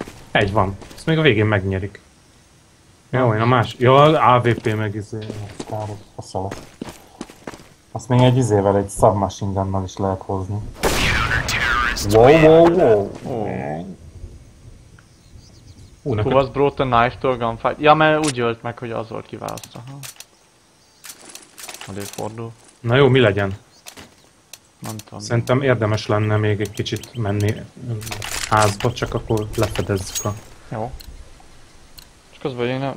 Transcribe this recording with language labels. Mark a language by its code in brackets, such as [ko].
[hu] egy van. Ezt még a végén megnyerik. Jó, én a más... jó, AVP meg izé... faszalak. Azt még egy izével, egy submachine gunnal is lehet hozni. [en] Wow, wow, wow! Oh. Who was brought the knife to a gunfight? [hu] Ja, mert úgy ölt meg, hogy az volt kiválasztva. Ha. Adél fordul. Na jó, mi legyen? Nem tudom. Szerintem érdemes lenne még egy kicsit menni házba, csak akkor lefedezzük a... jó. És közben én nem...